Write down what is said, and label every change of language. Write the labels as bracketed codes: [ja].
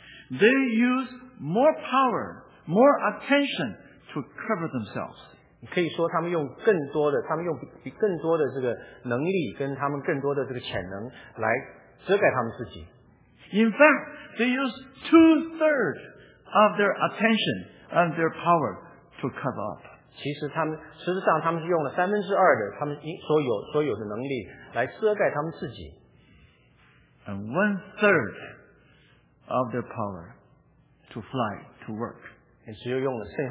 [en] They use more power, more attention to cover themselves. [zh] 可以说他们用更多的这个能力跟他们更多的这个潜能来遮盖他们自己。 [en] In fact, they use two-thirds of their attention and their power to cover up. [zh] 其实他们实际上他们是用了三分之二的他们所有的能力来遮盖他们自己。 [en] And one-third of their power to fly, to work.